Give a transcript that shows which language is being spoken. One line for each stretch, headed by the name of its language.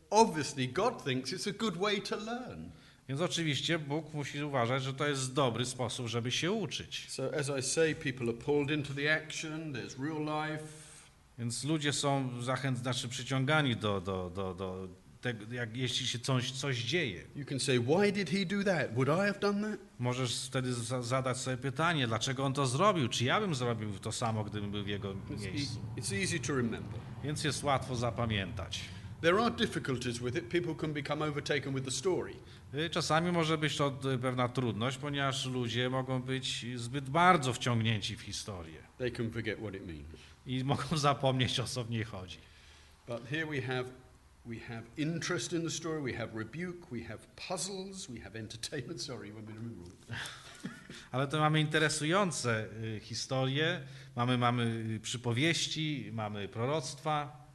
English: Obviously, God thinks it's a good way to learn.
Polish: Więc oczywiście Bóg musi uważać, że to jest dobry sposób, żeby się uczyć.
English: So as I say, people are pulled into the action. There's real life.
Polish: Więc ludzie są zachęcani, znaczy przyciągani do tego, jak jeśli się coś dzieje.
English: You can say, why did he do that? Would I have done that?
Polish: Możesz wtedy zadać sobie pytanie, dlaczego on to zrobił? Czy ja bym zrobił to samo, gdybym był w jego miejscu?
English: It's easy to remember.
Polish: Więc jest łatwo zapamiętać.
English: There are difficulties with it. People can become overtaken with the story.
Polish: Czasami może być to pewna trudność, ponieważ ludzie mogą być zbyt bardzo wciągnięci w historię.
English: They can forget what it means.
Polish: I mogą zapomnieć, o co w niej chodzi.
English: But here we have interest in the story, we have rebuke, we have puzzles, we have entertainment. Sorry, we're being rude.
Polish: Ale to mamy interesujące historie, mamy przypowieści, mamy proroctwa.